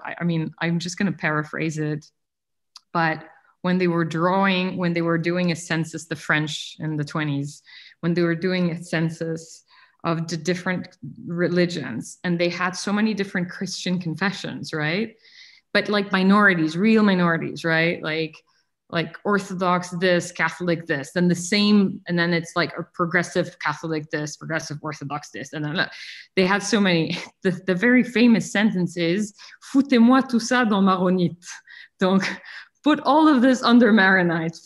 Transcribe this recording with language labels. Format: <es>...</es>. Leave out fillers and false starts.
<en>I mean, I'm just going to paraphrase it. But when they were doing a census, the French in the 20s, when they were doing a census of the different religions, and they had so many different Christian confessions, right? But like minorities, real minorities, right? Like Orthodox this, Catholic this, then the same, and then it's like a progressive Catholic this, progressive Orthodox this, and then they had so many. The very famous sentence is,</en> <fr>foutez-moi tout ça dans Maronite.</fr> <en>Donc, put all of this under Maronite.</en>